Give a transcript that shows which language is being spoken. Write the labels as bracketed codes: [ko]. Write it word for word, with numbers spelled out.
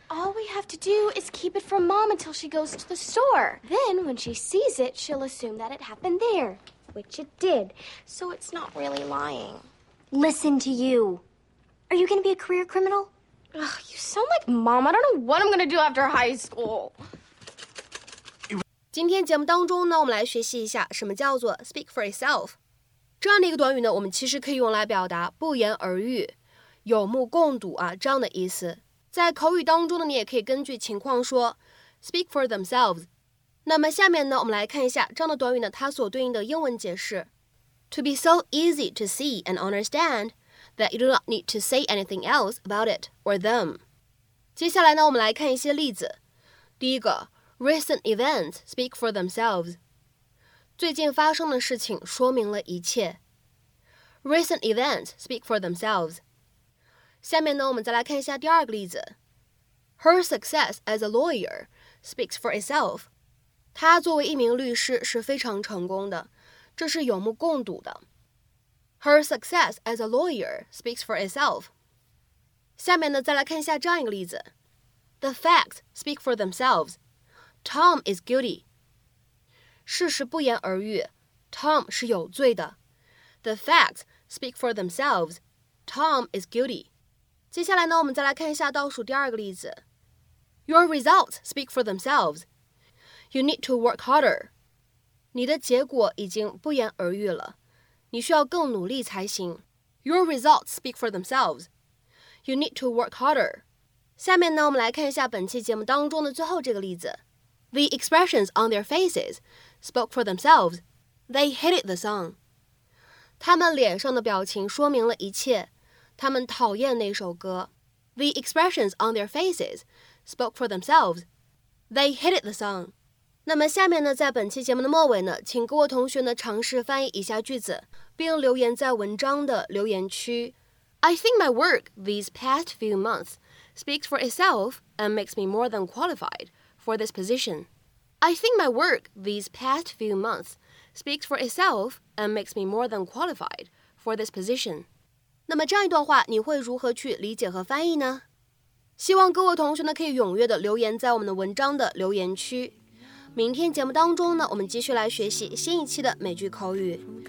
[en] All we have to do is keep it from Mom until she goes to the store. Then, when she sees it, she'll assume that it happened there. Which it did, so it's not really lying. Listen to you. Are you going to be a career criminal? Ugh, you sound like Mom. I don't know what I'm going to do after high school. [zh] 今天节目当中呢，我们来学习一下什么叫做 [en] speak for itself。 [zh] 这样的一个短语呢，我们其实可以用来表达不言而喻、有目共睹啊这样的意思。在口语当中呢，你也可以根据情况说 [en] speak for themselves。 [zh] 那么下面呢，我们来看一下这样的短语呢，它所对应的英文解释。 [en] To be so easy to see and understand that you do not need to say anything else about it or them. [zh] 接下来呢，我们来看一些例子。第一个 [en] ，Recent events speak for themselves. [zh] 最近发生的事情说明了一切。 [en] Recent events speak for themselves. [zh] 下面呢，我们再来看一下第二个例子。 [en] Her success as a lawyer speaks for itself. [zh] 她作为一名律师是非常成功的，这是有目共睹的。 [en] Her success as a lawyer speaks for itself. [zh] 下面呢，再来看一下这样一个例子。 [en] The facts speak for themselves. Tom is guilty. [zh] 事实不言而喻 ，Tom 是有罪的。 [en] The facts speak for themselves. Tom is guilty. [zh] 接下来呢，我们再来看一下倒数第二个例子。 [en] Your results speak for themselves. You need to work harder. [zh] 你的结果已经不言而喻了，你需要更努力才行。 [en] Your results speak for themselves. You need to work harder. [zh] 下面呢，我们来看一下本期节目当中的最后这个例子。 [en] The expressions on their faces spoke for themselves. They hated the song. [zh] 他们脸上的表情说明了一切。他们讨厌那首歌。 [en] The expressions on their faces spoke for themselves. They hated the song. [zh] 那么下面呢，在本期节目的末尾呢，请各位同学呢尝试翻译一下句子，并留言在文章的留言区。 [en] I think my work these past few months speaks for itself and makes me more than qualified for this position. I think my work these past few months speaks for itself and makes me more than qualified for this position. [zh] 那么这样一段话，你会如何去理解和翻译呢？希望各位同学呢可以踊跃的留言在我们的文章的留言区。明天节目当中呢，我们继续来学习新一期的美剧口语。